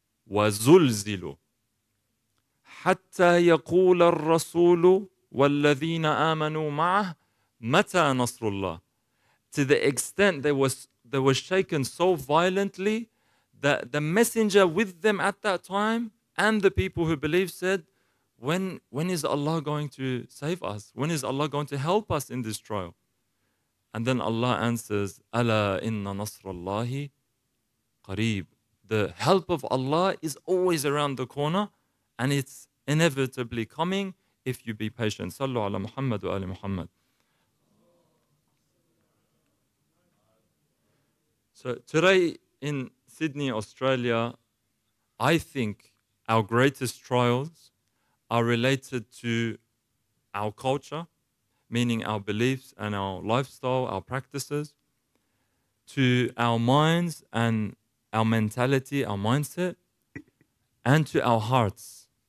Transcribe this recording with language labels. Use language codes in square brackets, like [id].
[ar] وَزُلْزِلُوا. حَتَّى يَقُولَ الرَّسُولُ وَالَّذِينَ آمَنُوا مَعَهُ مَتَى نَصْرُ اللَّهِ. [en] To the extent they were shaken so violently that the messenger with them at that time and the people who believed said, When is Allah going to save us? When is Allah going to help us in this trial? And then Allah answers, [ar] أَلَا إِنَّ نَصْرَ اللَّهِ قَرِيبٌ. [en] The help of Allah is always around the corner and it's inevitably coming if you be patient. [ar] صَلُّ عَلَى مُحَمَّدْ وَآلِ مُحَمَّدْ. [en] So today in Sydney, Australia, I think our greatest trials are related to our culture, meaning our beliefs and our lifestyle, our practices, to our minds and our mentality, our mindset, and to our hearts.